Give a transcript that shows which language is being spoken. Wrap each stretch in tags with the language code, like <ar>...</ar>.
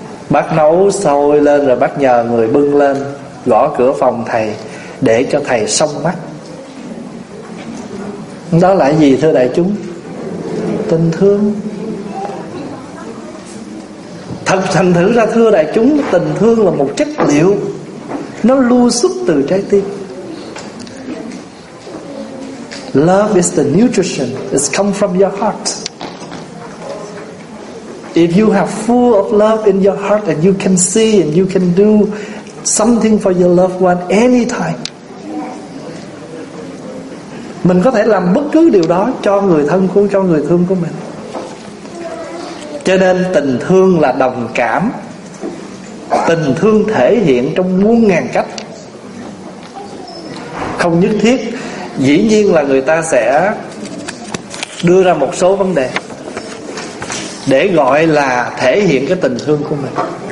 <vi>Bác nấu sôi lên rồi bác nhờ người bưng lên gõ cửa phòng thầy để cho thầy xông mắt. Đó là gì thưa đại chúng? Tình thương. Thành thử ra thưa đại chúng, tình thương là một chất liệu, nó lưu xuất từ trái tim.</vi> <en>Love is the nutrition, it's come from your heart. If you have full of love in your heart and you can see and you can do something for your loved one anytime.</en> <vi>Mình có thể làm bất cứ điều đó cho người thân của, cho người thương của mình. Cho nên tình thương là đồng cảm. Tình thương thể hiện trong muôn ngàn cách. Không nhất thiết, dĩ nhiên là người ta sẽ đưa ra một số vấn đề để gọi là thể hiện cái tình thương của mình.</vi>